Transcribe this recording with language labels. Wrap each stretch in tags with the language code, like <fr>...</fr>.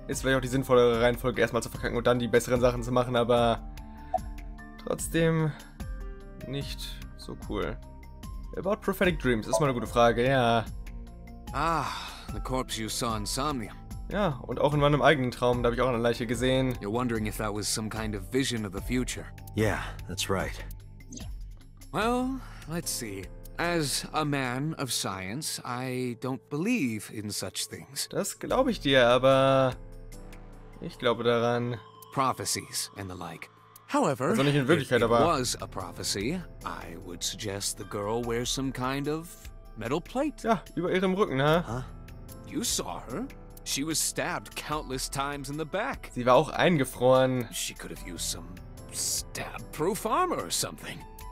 <de>Ist vielleicht auch die sinnvollere Reihenfolge, erstmal zu verkacken und dann die besseren Sachen zu machen, aber trotzdem nicht so cool.</de> <en>About prophetic dreams,</en> <de>ist mal eine gute Frage, ja.</de> <en>Ah, the corpse you saw in Somnium.</en> <de>Ja, und auch in meinem eigenen Traum, da habe ich auch eine Leiche gesehen.</de> <en>You're wondering if that was some kind of vision of the future. Yeah, that's right. Well, let's see. As a man of science, I don't believe in such things.</en> <de>Das glaube ich dir, aber ich glaube daran.</de> <en>Prophecies and the like. However,</en> <de>also nicht in Wirklichkeit,</de> <en>if it</en> <de>aber</de> <en>was a prophecy, I would suggest the girl wears some kind of metal plate.</en> <de>Ja, über ihrem Rücken, ne? Huh?</de> <en>You saw her. She was stabbed countless times in the back.</en> <de>Sie war auch eingefroren.</de> <en>She could have used some stab-proof armor or something.</en>